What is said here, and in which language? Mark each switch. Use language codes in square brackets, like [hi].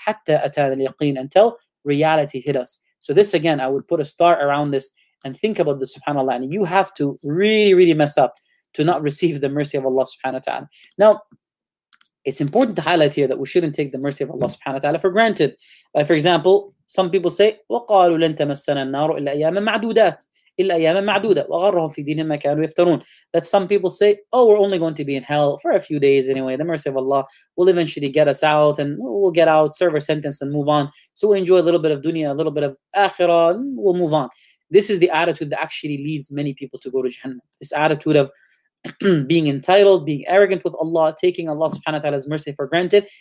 [ar] حَتَّى أَتَانَا الْيَقِينَ. [en] Until reality hit us. So this again, I would put a star around this and think about this, subhanAllah. And you have to really, really mess up to not receive the mercy of Allah subhanahu wa ta'ala. Now, it's important to highlight here that we shouldn't take the mercy of Allah subhanahu wa ta'ala for granted. Like, for example, some people say, [ar] وَقَالُوا لَن تَمَسَّنَا النَّارُ إِلَّا أَيَّامًا مَعْدُودَاتٍ. إِلَّا أَيَّامًا مَعْدُودَةً وَغَرَّهُمْ فِي دِينِهِمْ مَا كَانُوا يَفْتَرُونَ. [en] That some people say, oh, we're only going to be in hell for a few days anyway. The mercy of Allah will eventually get us out, and we'll get out, serve our sentence, and move on. So we'll enjoy a little bit of dunya, a little bit of akhirah, and we'll move on. This is the attitude that actually leads many people to go to Jahannam. This attitude of being entitled, being arrogant with Allah, taking Allah subhanahu wa ta'ala's mercy for granted.